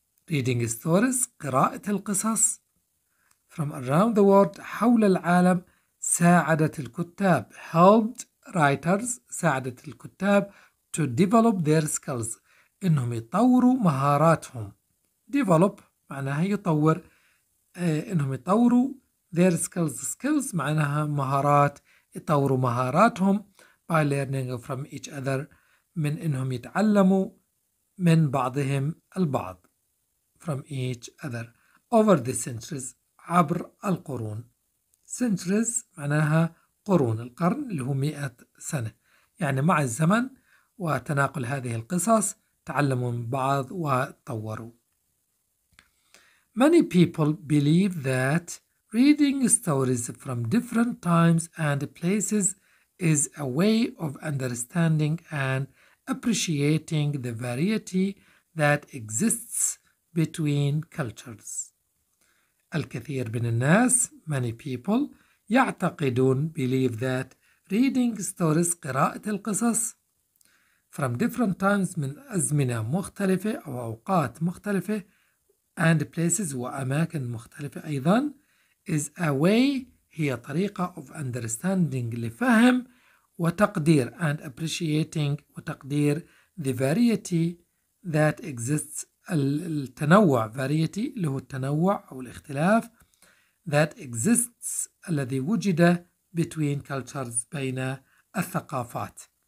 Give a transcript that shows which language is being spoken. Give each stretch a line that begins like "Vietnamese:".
English: Reading stories،
Arabic: قراءة القصص
English: from around the world،
Arabic: حول العالم، ساعدت الكتاب
English: helped writers، ساعدت الكتاب to develop their skills،
Arabic: إنهم يطوروا مهاراتهم. develop معناها يطور، إنهم يطوروا
English: their skills،
Arabic: skills معناها مهارات، يطوروا مهاراتهم
English: by learning from each other،
Arabic: من إنهم يتعلموا من بعضهم البعض
English: from each other over the centuries،
Arabic: عبر القرون. centuries معناها قرون، القرن اللي هو 100 سنة، يعني مع الزمن وتناقل هذه القصص تعلموا من بعض وتطوروا.
English: Many people believe that reading stories from different times and places is a way of understanding and appreciating the variety that exists between cultures.
Arabic: الكثير من الناس
English: many people
Arabic: يعتقدون
English: believe that reading stories
Arabic: قراءة القصص
English: from different times
Arabic: من أزمنة مختلفة أو أوقات مختلفة
English: and places
Arabic: وأماكن مختلفة أيضا
English: is a way
Arabic: هي طريقة
English: of understanding
Arabic: لفهم وتقدير
English: and appreciating
Arabic: وتقدير
English: the variety that exists
Arabic: التنوع variety اللي هو التنوع أو الاختلاف
English: that exists
Arabic: الذي وجد
English: between cultures
Arabic: بين الثقافات.